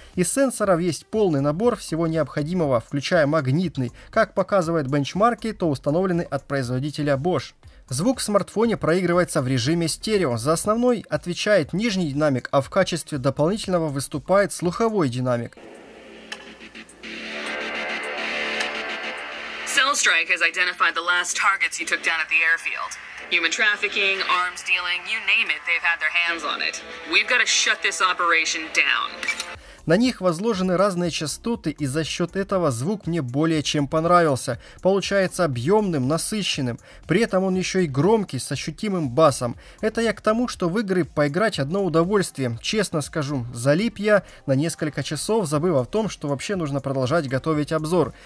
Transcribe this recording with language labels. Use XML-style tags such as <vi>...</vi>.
<ru>Из сенсоров есть полный набор всего необходимого, включая магнитный. Как показывает бенчмарки, то установлены от производителя Bosch. Звук в смартфоне проигрывается в режиме стерео. За основной отвечает нижний динамик, а в качестве дополнительного выступает слуховой динамик.</ru> <en>Strike has identified the last targets you took down at the airfield. Human trafficking, arms dealing, you name it, they've had their hands on it. We've got to shut this operation down.</en> <ru>На них возложены разные частоты, и за счет этого звук мне более чем понравился. Получается объемным, насыщенным. При этом он еще и громкий, с ощутимым басом. Это я к тому, что в игры поиграть одно удовольствие. Честно скажу, залип я на несколько часов, забыв о том, что вообще нужно продолжать готовить обзор.</ru>